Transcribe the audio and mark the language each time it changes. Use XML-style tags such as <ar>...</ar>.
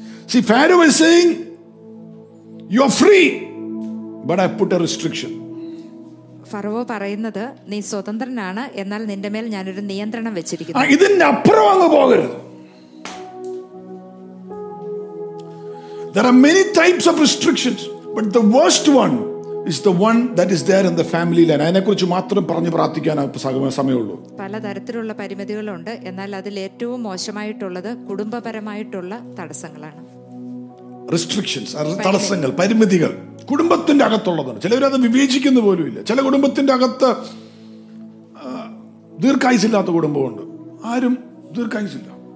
<en>See, Pharaoh is saying, you are free, but I put a restriction.</en> <ml>ഫറവോ പറയുന്നത്, നീ സ്വതന്ത്രനാണ്, എന്നാൽ നിന്റെ മേൽ ഞാൻ ഒരു നിയന്ത്രണം വെച്ചിരിക്കുന്നു. ഇതിന്റെ അപ്പുറം അങ്ങ് പോകരുത്.</ml> <en>There are many types of restrictions, but the worst one is the one that is there in the family line.</en> <ml>അതിനെ കുറിച്ച് മാത്രം പറഞ്ഞു പ്രാർത്ഥിക്കാൻ സമയമുള്ളൂ. പല തരത്തിലുള്ള പരിമിതികളുണ്ട്, എന്നാൽ അതിൽ ഏറ്റവും മോശമായിട്ടുള്ളത് കുടുംബപരമായിട്ടുള്ള തടസ്സങ്ങളാണ്. റെസ്ട്രിക്ഷൻസ്, തടസ്സങ്ങൾ, പരിമിതികൾ കുടുംബത്തിന്റെ അകത്തുള്ളതാണ്. ചിലവരത് വിവേചിക്കുന്ന പോലും ഇല്ല. ചില കുടുംബത്തിന്റെ അകത്ത് ദീർഘായുസില്ലാത്ത കുടുംബമുണ്ട്, ആരും ദീർഘായുസില്ല.</ml>